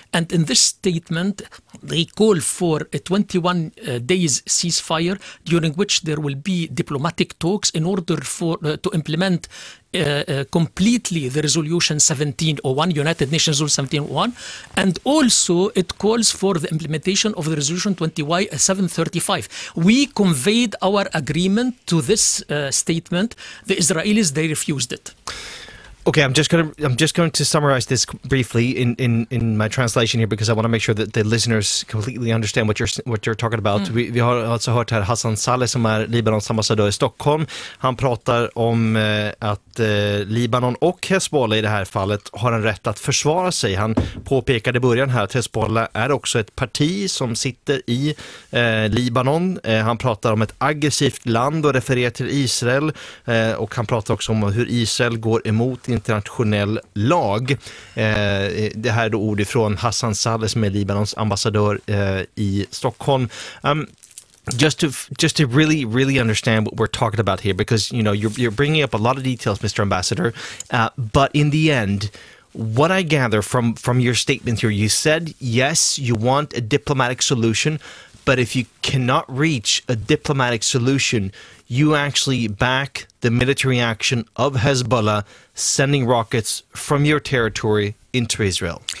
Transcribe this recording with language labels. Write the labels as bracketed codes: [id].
[en] And in this statement, they call for a 21 days ceasefire, during which there will be diplomatic talks in order to implement completely the resolution 1701, United Nations Rule 1701, and also it calls for the implementation of the resolution 2735. We conveyed our agreement to this statement. The Israelis, they refused it. Okay, I'm just going to summarize this briefly in my translation here, because I want to make sure that the listeners completely understand what you're talking about. Mm. [sv] Vi har alltså hört här Hassan Saleh, som är Libanons ambassadör i Stockholm. Han pratar om att Libanon och Hezbollah i det här fallet har en rätt att försvara sig. Han påpekade i början här att Hezbollah är också ett parti som sitter i Libanon. Han pratar om ett aggressivt land och refererar till Israel, och han pratar också om hur Israel går emot internationell lag. Det här är då ord ifrån Hassan Saleh, som är Libanons ambassadör i Stockholm. [en] Just to really, really understand what we're talking about here, because you know you're bringing up a lot of details, Mr. Ambassador, but in the end, what I gather from your statement here, you said yes, you want a diplomatic solution, but if you cannot reach a diplomatic solution, you actually back the military action of Hezbollah sending rockets from your territory into Israel.